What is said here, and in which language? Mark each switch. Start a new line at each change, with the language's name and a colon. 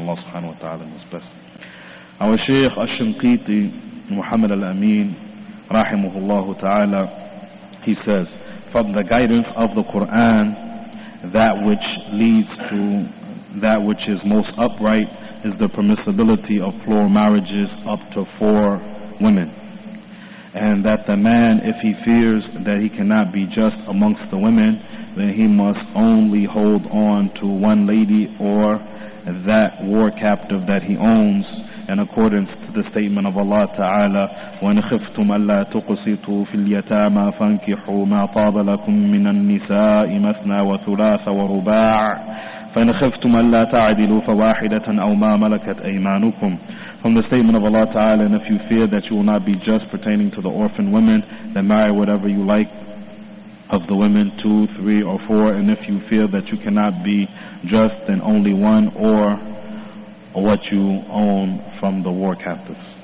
English: Allah subhanahu wa ta'ala knows best. Our Shaykh Ash-Shinqiti, Muhammad Al-Amin, rahimahullahu ta'ala, he says, from the guidance of the Quran, that which leads to that which is most upright is the permissibility of plural marriages up to four women. And that the man, if he fears that he cannot be just amongst the women, then he must only hold on to one lady or that war captive that he owns.
Arabic: In accordance to the statement of Allah Ta'ala, وَإِنْ خِفْتُمْ أَلَّا تُقْسِطُوا فِي الْيَتَامَى فَانْكِحُوا مَا طَابَ لَكُمْ مِنَ النِّسَاءِ مَثْنَى وَثُلَاثَ وَرُبَاعَ فَإِنْ خِفْتُمْ أَلَّا تَعْدِلُوا فَوَاحِدَةً أَوْ مَا مَلَكَتْ أَيْمَانُكُمْ.
English: From the statement of Allah Ta'ala, and if you fear that you will not be just pertaining to the orphan women, then marry whatever you like of the women, two, three, or four. And if you fear that you cannot be just, then only one or what you own from the war captives.